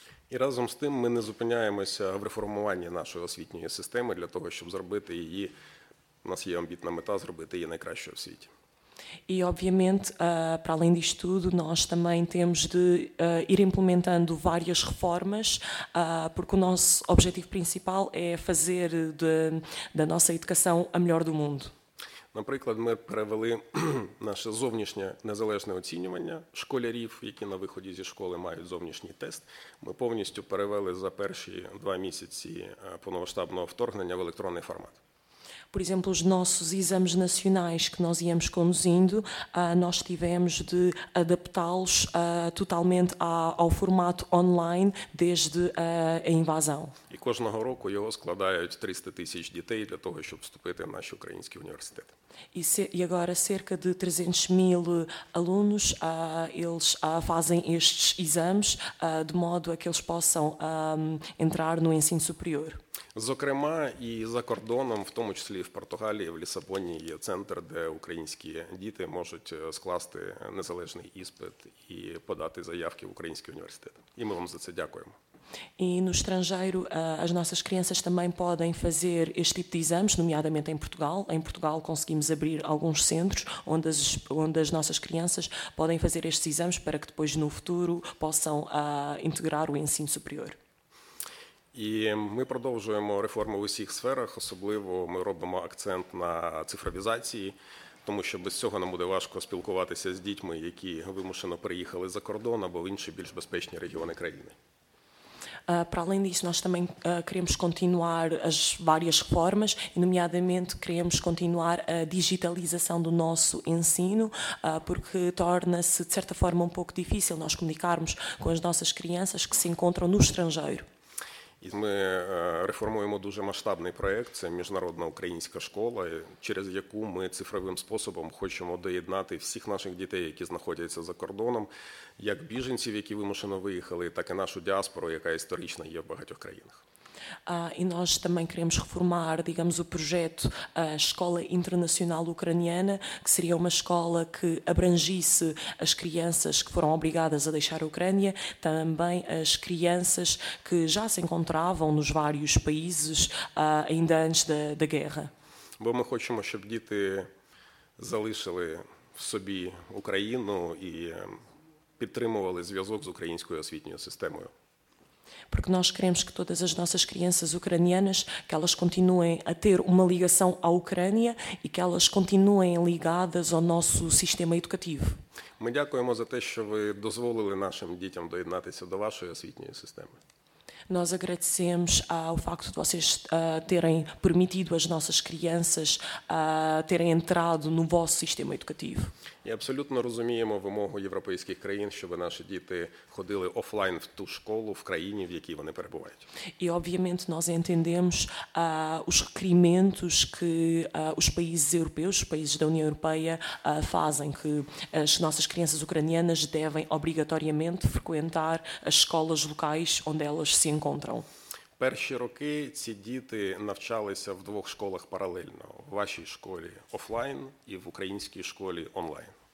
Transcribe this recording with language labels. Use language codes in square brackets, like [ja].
[uk] І разом з тим ми не зупиняємося в реформуванні нашої освітньої системи для того, щоб зробити її. У нас є амбітна мета зробити її найкращою в світі. [pt] E obviamente, para além disto tudo, nós também temos de ir implementando várias reformas, porque o nosso objetivo principal é fazer da nossa educação a melhor do mundo. [uk] Наприклад, ми перевели наше зовнішнє незалежне оцінювання школярів, які на виході зі школи мають зовнішній тест. Ми повністю перевели за перші два місяці повномасштабного вторгнення в електронний формат. [pt] Por exemplo, os nossos exames nacionais que nós íamos conduzindo, nós tivemos de adaptá-los totalmente ao formato online desde a invasão. [uk] E кожного року його складають 300 тисяч дітей для того, щоб вступити в наші українські університети. [pt] E agora cerca de 300 mil alunos, eles fazem estes exames de modo a que eles possam entrar no ensino superior. [uk] Зокрема, і за кордоном, в тому числі в Португалії, в Лісабоні, є центр, де українські діти можуть скласти незалежний іспит і подати заявки в українські університети. І ми вам за це дякуємо. [pt] E no estrangeiro, as nossas crianças também podem fazer este tipo de exames, nomeadamente em Portugal. Em Portugal conseguimos abrir alguns centros onde as nossas crianças podem fazer estes exames para que depois no futuro possam integrar o ensino superior. [uk] І ми продовжуємо реформи в усіх сферах, особливо ми робимо акцент на цифровізації, тому що без цього нам буде важко спілкуватися з дітьми, які вимушено переїхали за кордон або в інші більш безпечні регіони країни. [pt] Para além disso, nós também queremos continuar as várias reformas, e nomeadamente queremos continuar a digitalização do nosso ensino, porque torna-se de certa forma um pouco difícil nós comunicarmos com as nossas crianças que se encontram no estrangeiro. [uk] І ми реформуємо дуже масштабний проєкт, це міжнародна українська школа, через яку ми цифровим способом хочемо доєднати всіх наших дітей, які знаходяться за кордоном, як біженців, які вимушено виїхали, так і нашу діаспору, яка історично є в багатьох країнах. [pt] E nós também queremos reformar, digamos, o projeto Escola Internacional Ucraniana, que seria uma escola que abrangisse as crianças que foram obrigadas a deixar a Ucrânia, também as crianças que já se encontravam nos vários países ainda antes da guerra. [uk] Ми хочемо, щоб діти залишили в собі Україну і підтримували зв'язок з українською освітньою системою. [pt] Porque nós queremos que todas as nossas crianças ucranianas, que elas continuem a ter uma ligação à Ucrânia e que elas continuem ligadas ao nosso sistema educativo. [uk] Ми дякуємо за те, що ви дозволили нашим дітям доєднатися до вашої освітньої системи. [pt] Nós agradecemos ao facto de vocês terem permitido às nossas crianças terem entrado no vosso sistema educativo. E absolutamente [uk] розуміємо вимогу європейських країн, щоб наші діти ходили офлайн в ту школу в країні, в якій вони перебувають. [pt] E obviamente nós entendemos os requerimentos que os países europeus, os países da União Europeia fazem, que as nossas crianças ucranianas devem obrigatoriamente frequentar as escolas locais onde elas se encontram. [uk] Перші роки ці діти навчалися в двох школах паралельно: в вашій школі офлайн і в українській школі онлайн.